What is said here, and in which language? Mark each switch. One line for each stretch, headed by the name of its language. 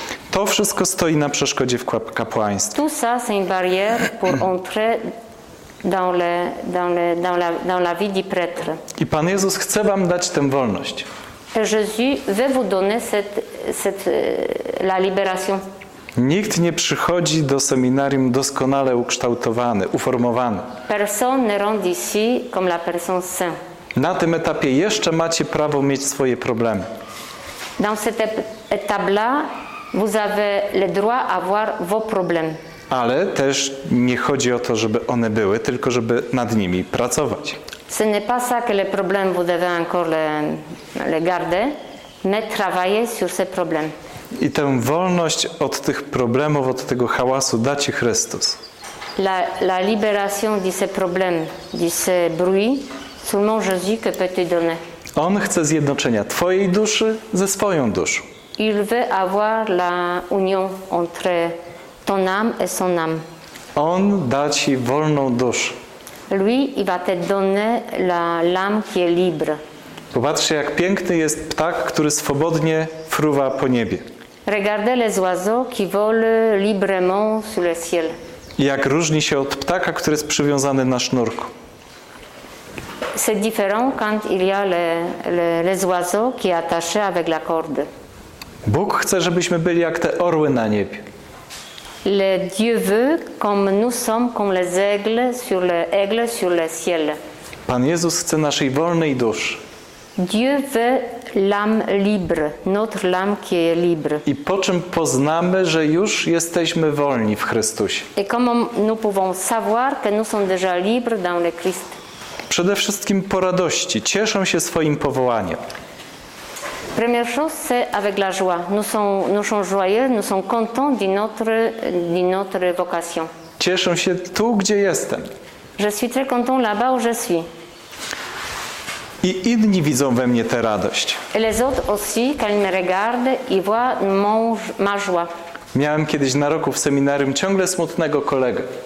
Polish: To wszystko stoi na przeszkodzie w kapłaństwie.
French: Tout ça c'est une barrière pour entrer dans la vie du prêtre.
Polish: I Pan Jezus chce wam dać tę wolność.
French: Jésus veut vous donner cette la libération.
Polish: Nikt nie przychodzi do seminarium doskonale ukształtowany, uformowany.
French: Personne ne rentre ici comme la personne saint.
Polish: Na tym etapie jeszcze macie prawo mieć swoje problemy.
French: Dans cette étape-là, vous avez le droit avoir vos problèmes.
Polish: Ale też nie chodzi o to, żeby one były, tylko żeby nad nimi pracować.
French: Ce n'est pas ça que les problèmes vous devez encore les garder, mais travailler sur ces problèmes.
Polish: I tę wolność od tych problemów, od tego hałasu da ci Chrystus.
French: la libération de ces problèmes, de ces bruits, seulement Jésus peut te donner.
Polish: On chce zjednoczenia twojej duszy ze swoją duszą.
French: Il veut avoir la union entre ton âme et son âme.
Polish: On da ci wolną duszę.
French: Lui, il va te donner la l'âme qui est libre.
Polish: Popatrzcie, jak piękny jest ptak, który swobodnie fruwa po niebie.
French: Regardez les oiseaux qui volent librement sur le ciel.
Polish: Jak różni się od ptaka, który jest przywiązany na sznurku.
French: C'est différent quand il y a les oiseaux qui sont attachés avec la corde.
Polish: Bóg chce, żebyśmy byli jak te orły na niebie.
French: Le Dieu veut comme nous sommes comme les aigles sur les aigles sur le ciel.
Polish: Pan Jezus chce naszej wolnej duszy.
French: Dieu veut l'âme libre, notre âme qui est libre.
Polish: I po czym poznamy, że już jesteśmy wolni w Chrystusie?
French: Et comment nous pouvons savoir que nous sommes déjà libres dans le Christ?
Polish: Przede wszystkim po radości, cieszę się swoim powołaniem.
French: Première chose, c'est avec la joie. Nous sommes joyeux, nous sommes contents de notre vocation.
Polish: Cieszę się tu, gdzie jestem.
French: Je suis très content là-bas où je suis.
Polish: I inni widzą we mnie tę radość.
French: Et les autres aussi, quand ils me regardent, ils voient ma joie.
Polish: Miałem kiedyś na roku w seminarium ciągle smutnego kolegę.